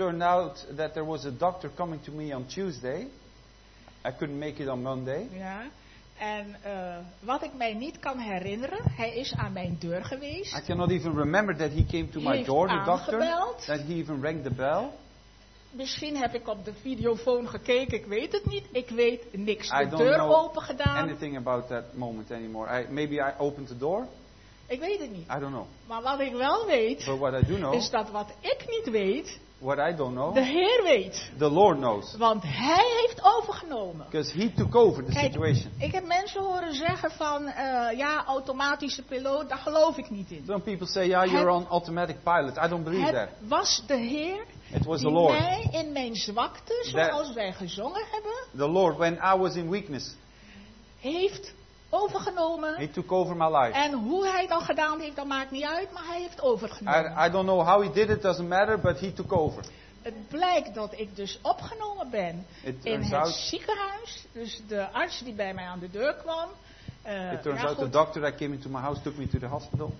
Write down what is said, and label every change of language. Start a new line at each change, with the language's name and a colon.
English: It turned out that there was a doctor coming to me on Tuesday. I couldn't make it on Monday.
Dutch: Ja. En wat ik mij niet kan herinneren, hij is aan mijn deur geweest.
English: I cannot even remember that he came to my door, the doctor. That he even rang the bell.
Dutch: Misschien heb ik op de videofoon gekeken, ik weet het niet. Ik weet niks. De deur open gedaan.
English: Anything about that moment anymore. Maybe I opened the door.
Dutch: Ik weet het niet.
English: I don't know.
Dutch: Maar wat ik wel weet,
English: but what I do know,
Dutch: is dat wat ik niet weet,
English: what I don't know,
Dutch: de Heer weet.
English: The Lord knows.
Dutch: Want Hij heeft overgenomen.
English: Because He took over the situation.
Dutch: Ik heb mensen horen zeggen van, automatische piloot, daar geloof ik niet in.
English: Some people say, yeah, you're on automatic pilot. I don't believe that.
Dutch: Het was de Heer die mij in mijn zwakte, zoals wij gezongen hebben,
English: the Lord, when I was in weakness,
Dutch: heeft overgenomen.
English: He took over my life.
Dutch: En hoe hij het al gedaan heeft, dat maakt niet uit, maar hij heeft overgenomen.
English: I don't know how he did it, doesn't matter, but he took over.
Dutch: Het blijkt dat ik dus opgenomen ben in het ziekenhuis. Dus de arts die bij mij aan de deur kwam.
English: It turns out the doctor that came into my house took me to the hospital.